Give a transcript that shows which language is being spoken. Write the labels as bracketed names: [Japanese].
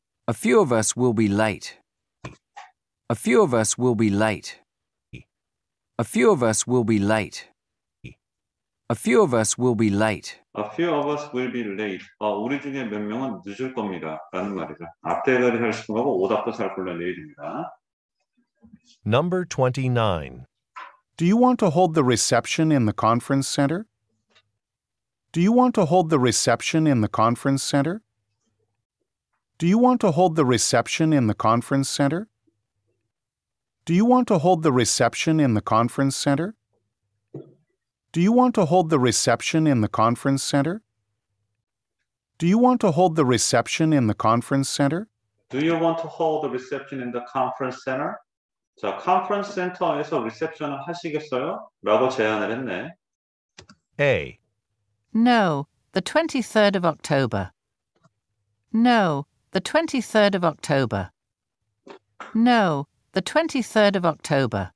[English] A few of us will be late. A few of us will be late. A few of us will be late. A few of us will be late. A few of us will be late. [Korean] 우리 중에 몇 명은 늦을 겁니다. 라는 말이죠. 앞에 대리 할 수하고 오답도 잘 골라내립니다. [English] Number 29. Do you want to hold the reception in the conference center? Do you want to hold the reception in the conference center? Do you want to hold the reception in the conference center? Do you want to hold the reception in the conference center? Do you want to hold the reception in the conference center? Do you want to hold the reception in the conference center? Do you want to hold the reception in the conference center? [Korean] 자, 컨퍼런스 센터에서 리셉션을 하시겠어요? 라고 제안을 했네. [English] A. No, the 23rd of October. No, the 23rd of October. No, the 23rd of October.